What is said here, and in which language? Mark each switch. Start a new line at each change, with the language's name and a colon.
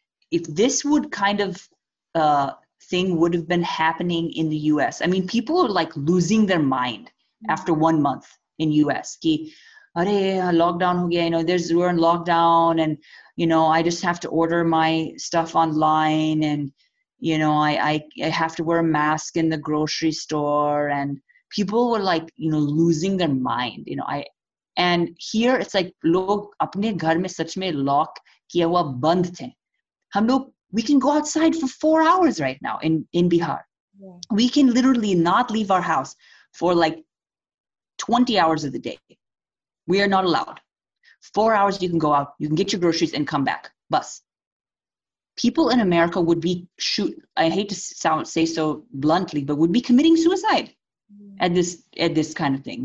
English: If this would kind of thing would have been happening in the US, I mean, people are like losing their mind after 1 month in US.
Hindi: Ki, are, lockdown ho gaya,
English: you know, we're in lockdown and, you know, I just have to order my stuff online and, you know, I have to wear a mask in the grocery store, and people were like, you know, losing their mind. You know, and here it's like
Hindi: लोग अपने घर में सच में lock किया हुआ बंद थे. Hum log,
English: we can go outside for 4 hours right now in Bihar. Yeah. We can literally not leave our house for like 20 hours of the day. We are not allowed. 4 hours you can go out, you can get your groceries and come back. Bus. People in America would be would be committing suicide at this kind of thing.